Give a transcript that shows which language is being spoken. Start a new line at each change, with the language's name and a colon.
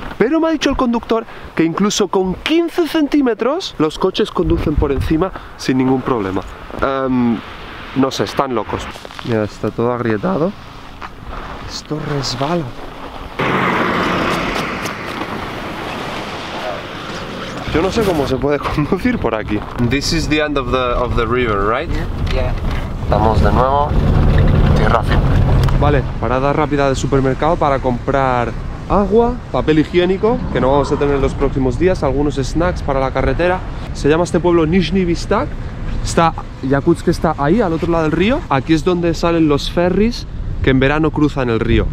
Spanish: Pero me ha dicho el conductor que incluso con 15 centímetros los coches conducen por encima sin ningún problema. No sé, están locos. Mira, está todo agrietado. Esto resbala. Yo no sé cómo se puede conducir por aquí.
English: This is the end of the river, right?
Spanish: Yeah. Estamos de nuevo. Tierra firme. Vale, parada rápida de supermercado para comprar agua, papel higiénico, que no vamos a tener los próximos días, algunos snacks para la carretera. Se llama este pueblo Nizhny Vistak. Está Yakutsk, está ahí, al otro lado del río. Aquí es donde salen los ferries que en verano cruzan el río.